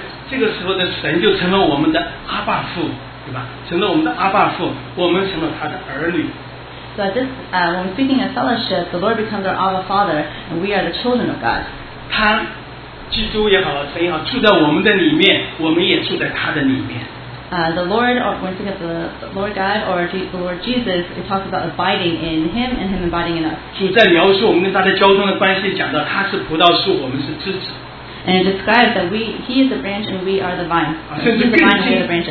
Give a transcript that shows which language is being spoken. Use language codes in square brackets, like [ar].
[zh] 这个时候的神就成了我们的阿爸父，对吧？成了我们的阿爸父，我们成了他的儿女。 [en] So this, when speaking of fellowship, the Lord becomes our Abba Father, and we are the children of God. [zh] 他基督也好，神也好，住在我们的里面，我们也住在他的里面。 [en] The Lord, or when we think of the Lord God or the Lord Jesus, it talks about abiding in Him and Him abiding in us. And it describes that He is the branch and we are the vine.